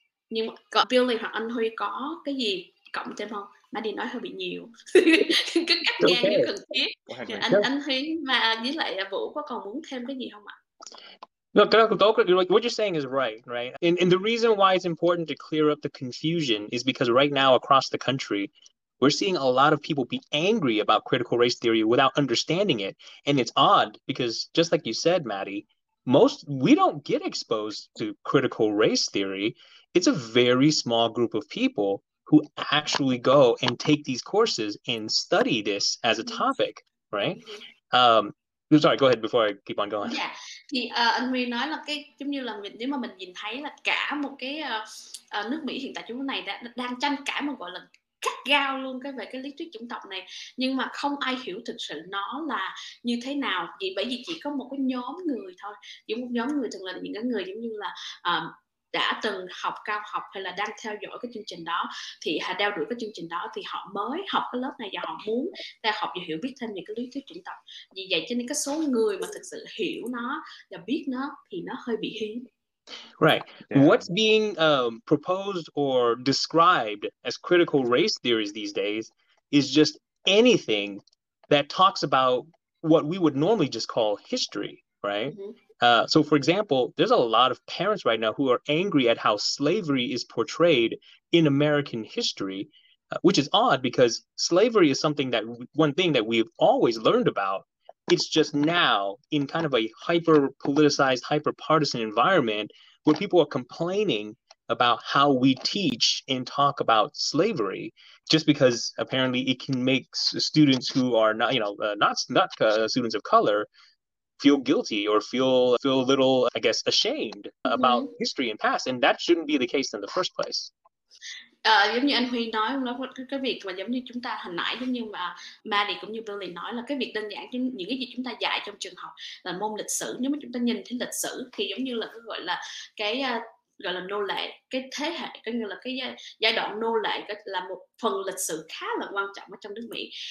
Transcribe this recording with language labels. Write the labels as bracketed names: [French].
[Vietnamese] Nhưng mà Billy hoặc anh Huy có cái gì cộng thêm không? Má đi nói hơi bị nhiều. Cứ cắt ngang nếu cần thiết. Anh Huy mà với lại Vũ có còn muốn thêm cái gì không ạ? [English] What you're saying is right, right? And the reason why it's important to clear up the confusion is because right now across the country, we're seeing a lot of people be angry about critical race theory without understanding it. And it's odd because just like you said, Maddie, we don't get exposed to critical race theory. It's a very small group of people who actually go and take these courses and study this as a topic, right? Sorry, go ahead before I keep on going. [Vietnamese] Yeah, thì anh Huy nói là cái giống như là mình, nếu mà mình nhìn thấy là cả một cái nước Mỹ hiện tại chúng này đang tranh cãi mà gọi là cắt gao luôn cái về cái lý thuyết chủng tộc này, nhưng mà không ai hiểu thực sự nó là như thế nào. Vì bởi vì chỉ có một cái nhóm người thôi, chỉ một nhóm người, thường là những cái người giống như là đã từng học cao học hay là đang theo dõi cái chương trình đó, thì họ đeo đuổi cái chương trình đó, thì họ mới học cái lớp này và họ muốn theo học và hiểu biết thêm những cái lý thuyết chủng tộc. Vì vậy cho nên cái số người mà thực sự hiểu nó và biết nó thì nó hơi bị hiếm. [English] Right. Yeah. What's being proposed or described as critical race theories these days is just anything that talks about what we would normally just call history, right? Mm-hmm. So, for example, there's a lot of parents right now who are angry at how slavery is portrayed in American history, which is odd because slavery is something that one thing that we've always learned about. It's just now in kind of a hyper politicized, hyper partisan environment where people are complaining about how we teach and talk about slavery, just because apparently it can make students who are not, you know, not students of color feel guilty or feel a little, I guess, ashamed about mm-hmm. history and past. And that shouldn't be the case in the first place. [Vietnamese] Giống như anh Huy nói, cái việc mà giống như chúng ta hồi nãy, giống như mà Mary cũng như Billy nói, là cái việc đơn giản những cái gì chúng ta dạy trong trường học là môn lịch sử. Nếu mà chúng ta nhìn thấy lịch sử thì giống như là gọi là cái gọi là nô lệ, cái thế hệ, cái như là cái giai đoạn nô lệ là một phần lịch sử khá là quan trọng ở trong nước Mỹ.